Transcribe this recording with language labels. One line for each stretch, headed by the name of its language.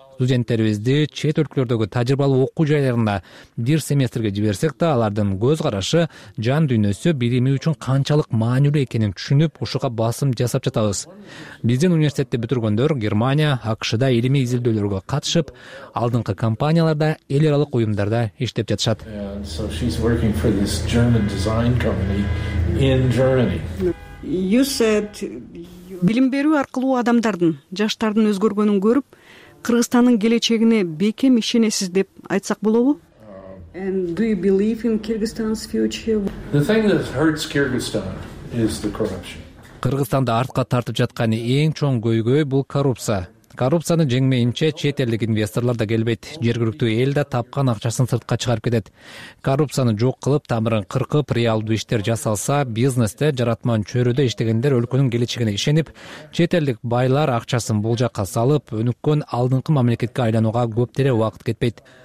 Kyrgyz: Студенттерибизди чет өлкөлөрдөгү тажрыйбалуу окуу жайларында бир семестрге жиберсек да, алардын көз карашы, жан дүйнөсү билими үчүн канчалык маанилүү экенин түшүнүп, ушуга басым жасап жатабыз. Биздин университетти бүтүргөндөр Германия, АКШда илимий изилдөөлөргө катышып, алдыңкы компанияларда, эл аралык уюмдарда иштеп жатышат.
English: So she's working for this German design company in Germany. You said
Kyrgyz: билим берүү аркылуу адамдардын, жаштардын өзгөргөнүн көрүп, Кыргызстандын келечегине бекем ишенесиз деп айтсак болобу?
English: And do you believe in Kyrgyzstan's future? The thing that hurts Kyrgyzstan is the corruption.
Kyrgyz: Кыргызстанды артка тартып жаткан эң чоң көйгөй бул коррупция. Коррупцияны жеңмейинче чет элдик инвесторлор да келбейт. Жергиликтүү эл да тапкан акчасын сыртка чыгарып кетет. Коррупцияны жок кылып, тамырын кыркып, реалдуу иштер жасалса, бизнесте жаратман чөйрөдө иштегендер өлкөнүн келечегине ишенип, чет элдик байлар акчасын бул жакка салып, өнүккөн алдыңкы мамлекетке айланууга көп тере убакыт кетпейт.